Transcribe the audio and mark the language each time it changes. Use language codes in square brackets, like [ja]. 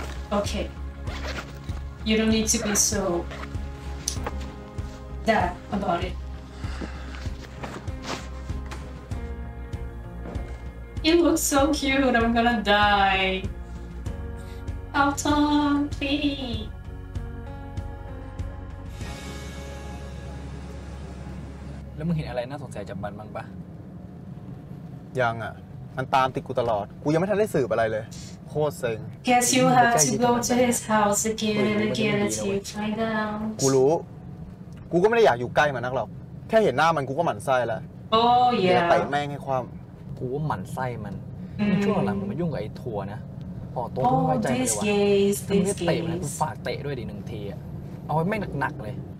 [en] โอเค You don't need to be so that about it It looks so cute I'm gonna die Alton please [th] แล้วมึงเห็นอะไรน่าสงสัยจับมันบ้างปะ ยังอ่ะมันตามติดกูตลอดกูยังไม่ทันได้สืบอะไรเลยโคตรเซ็ง [en] Guess you have to go to his house again and again until you find out [th] กูรู้กูก็ไม่ได้อยากอยู่ใกล้มันนักหรอกแค่เห็นหน้ามันกูก็หมั่นไส้แล้ ว โอ้ย แล้วไปแม่งให้ความ กูว่าหมั่นไส้มันช่วงหลังมันยุ่งกับไอ้ทัวร์นะพอตัวมึงไว้ใจเลยวะ มึง เตะมันกูฝากเตะด้วยดิหนึ่งทีอ่ะเอาไว้ไม่หนักๆเลย